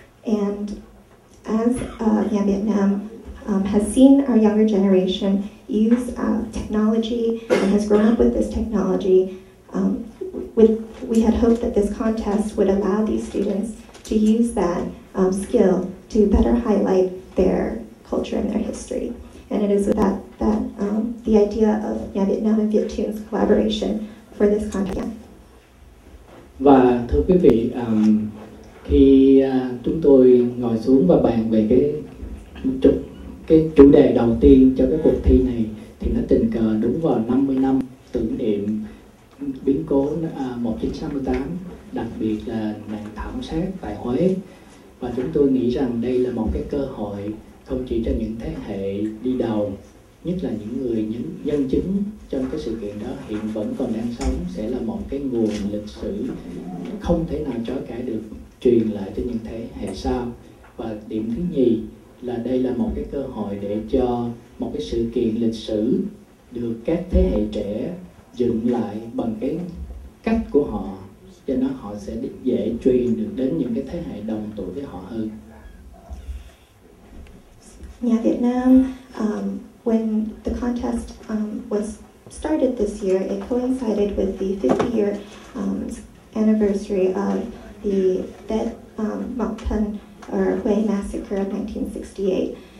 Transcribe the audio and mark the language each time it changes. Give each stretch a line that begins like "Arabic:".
English: And as Nhà Việt Nam has seen our younger generation use technology and has grown up with this technology, we had hoped that this contest would allow these students to use that skill to better highlight their culture and their history. And it is with that the idea of Nhà Việt Nam and Viettoon's collaboration for this contest.
Vietnamese: Và thưa quý vị, khi chúng tôi ngồi xuống và bàn về cái chủ đề đầu tiên cho cái cuộc thi này thì nó tình cờ đúng vào 50 năm tưởng niệm biến cố 1968, đặc biệt là nạn thảm sát tại Huế. Và chúng tôi nghĩ rằng đây là một cái cơ hội không chỉ cho những thế hệ đi đầu, nhất là những người, những nhân chứng trong cái sự kiện đó hiện vẫn còn đang sống, sẽ là một cái nguồn lịch sử không thể nào chối cãi được truyền lại cho những thế hệ sau. Và điểm thứ nhì là đây là một cái cơ hội để cho một cái sự kiện lịch sử được các thế hệ trẻ dựng lại bằng cái cách của họ, cho nó họ sẽ dễ truyền được đến những cái thế hệ đồng tuổi với họ hơn.
English: Nhà Việt Nam, when the contest was started this year, it coincided with the 50-year anniversary of the Tet Mok Thanh or Hue massacre of 1968.